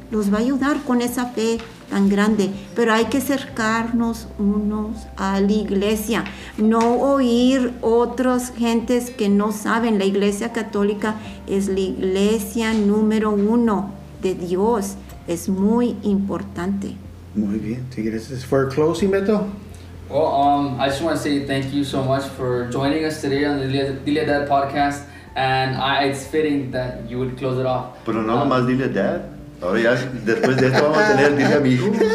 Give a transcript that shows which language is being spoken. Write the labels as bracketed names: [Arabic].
[Spanish] Los va a ayudar con esa fe tan grande. Pero hay que acercarnos unos a la iglesia. No oír otras gentes que no saben. La iglesia católica es la iglesia número uno de Dios. Es muy importante. Muy bien. ¿Te quieres [English] for closing, [Spanish] Beto? [English] Well, I just want to say thank you so much for joining us today on the Dile a Dad podcast. And it's fitting that you would close it off. [Spanish] Pero no nomás dile a Dad. Ahora ya, después de esto vamos a tener dile a mi hijo.